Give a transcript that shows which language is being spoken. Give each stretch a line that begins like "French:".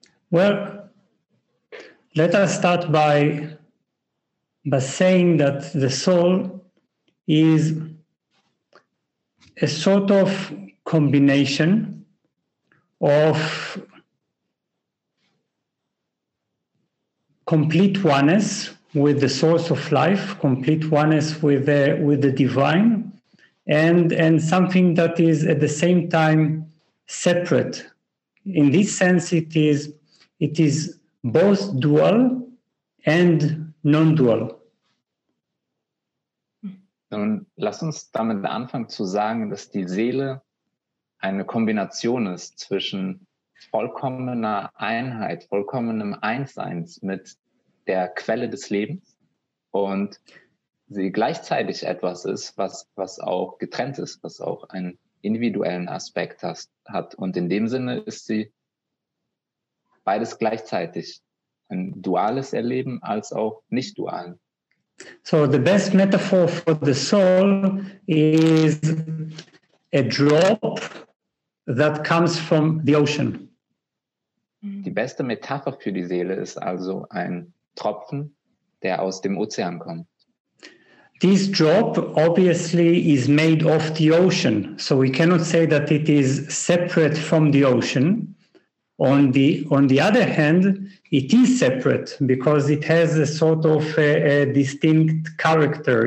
English: Well, let us start by saying that the soul is a sort of combination of complete oneness with the source of life, complete oneness with the divine, and something that is at the same time separate. In this sense, it is both dual and non-dual.
German: Nun, lass uns damit anfangen zu sagen, dass die Seele eine Kombination ist zwischen vollkommener Einheit, vollkommenem Einssein mit der Quelle des Lebens, und sie gleichzeitig etwas ist, was auch getrennt ist, was auch einen individuellen Aspekt hat. Und in dem Sinne ist sie beides gleichzeitig, ein duales Erleben als auch nicht dual.
English: So the best metaphor for the soul is a drop that comes from the ocean.
German: Die beste Metapher für die Seele ist also ein Tropfen, der aus dem Ozean kommt.
English: This drop obviously is made of the ocean, so we cannot say that it is separate from the ocean. On the other hand, it is separate because it has a sort of a distinct character.